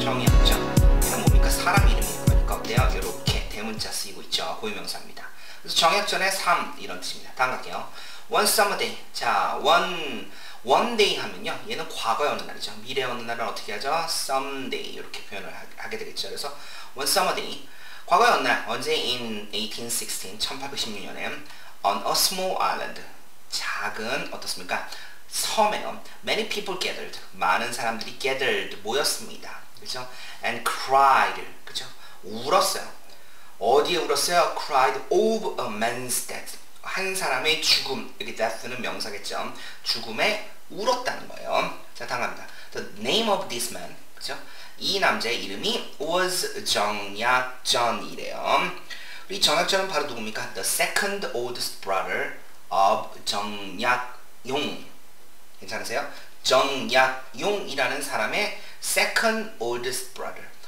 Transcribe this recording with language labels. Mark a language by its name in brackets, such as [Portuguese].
[Korean] 정약정. 이건 뭡니까? 사람 이름인 거니까 어때요? 이렇게 대문자 쓰이고 있죠. 고유명사입니다. 그래서 정약전의 3, 이런 뜻입니다. 다음 갈게요. [English] One summer day. [Korean] 자, one day 하면요, 얘는 과거의 어느 날이죠. 미래의 어느 날은 어떻게 하죠? [English] Someday. [Korean] 이렇게 표현을 하게 되겠죠. 그래서 [English] one summer day. [Korean] 과거의 어느 날, 언제? [English] In 1816, [Korean] 1816년에 [English] On a small island, [Korean] 작은, 어떻습니까? 섬에요. [English] Many people gathered, [Korean] 많은 사람들이 [English] gathered, [Korean] 모였습니다. 그렇죠? [English] And cried, [Korean] 그렇죠? 울었어요. 어디에 울었어요? [English] Cried of a man's death. [Korean] 한 사람의 죽음, 여기 death는 명사겠죠? 죽음에 울었다는 거예요. 자, 당합니다. [English] The name of this man, [Korean] 그렇죠? 이 남자의 이름이 [English] was [Korean] 정약전이래요. 이 정약전은 바로 누굽니까? [English] The second oldest brother of 정약용. [Korean] 괜찮으세요? 정약용이라는 사람의 [English] second oldest brother.